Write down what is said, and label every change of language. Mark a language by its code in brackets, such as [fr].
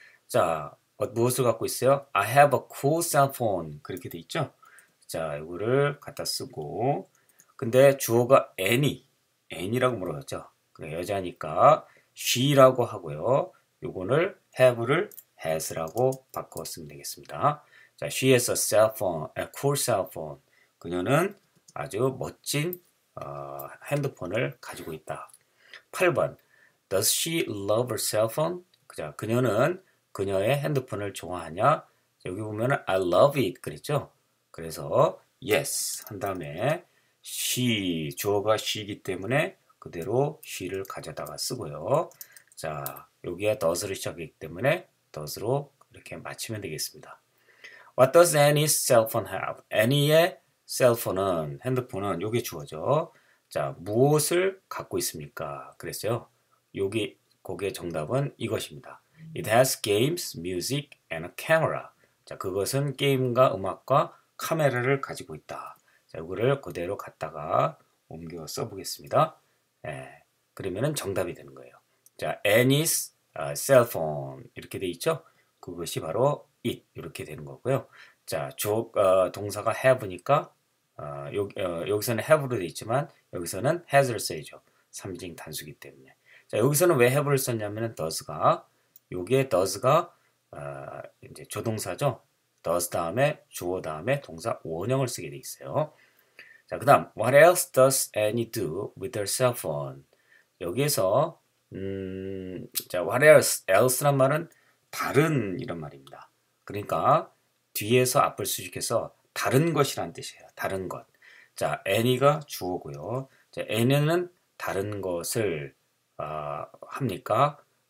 [ko] 자, 무엇을 갖고 있어요? [en] I have a cool cell phone. [ko] 그렇게 돼 있죠? 자, 이거를 갖다 쓰고. 근데 주어가 any. any라고 물어봤죠? 여자니까 she라고 하고요. 요거를 have를 has라고 바꿔 쓰면 되겠습니다. [en] 자, she has a cell phone, a cool cell phone. [ko] 그녀는 아주 멋진, 핸드폰을 가지고 있다. 8번. [en] Does she love her cell phone? [ko] 자, 그녀는 그녀의 핸드폰을 좋아하냐? 여기 보면은 [en] I love it [ko] 그랬죠? 그래서 yes 한 다음에 she, 주어가 she이기 때문에 그대로 she를 가져다가 쓰고요. 자, 여기에 does를 시작했기 때문에 does로 이렇게 맞추면 되겠습니다. [en] What does Annie's cell phone have? [ko] Annie의 cell phone은, 핸드폰은, 요게 주어죠. 자, 무엇을 갖고 있습니까? 그랬어요. 여기 곡의 정답은 이것입니다. [en] It has games, music, and a camera. [ko] 자, 그것은 게임과 음악과 카메라를 가지고 있다. 자, 이거를 그대로 갖다가 옮겨 써보겠습니다. 예, 그러면은 정답이 되는 거예요. 자, [en] Annie's cell phone [ko] 이렇게 돼 있죠? 그것이 바로 it 이렇게 되는 거고요. 자, 동사가 have니까 여기서는 have로 돼 있지만 여기서는 has를 써야죠. 삼진 단수기 때문에. 자, 여기서는 왜 have를 썼냐면은 does가 요게 does가 이제 조동사죠. does 다음에 주어 다음에 동사 원형을 쓰게 돼 있어요. 자, 그다음 [en] what else does Annie do with her cell phone? [ko] 여기에서 자, [en] what else? [ko] else란 말은 다른 이런 말입니다. 그러니까 뒤에서 앞을 수식해서 다른 것이란 뜻이에요. 다른 것. 자, any가 주어고요. 자, any는 다른 것을 합니까?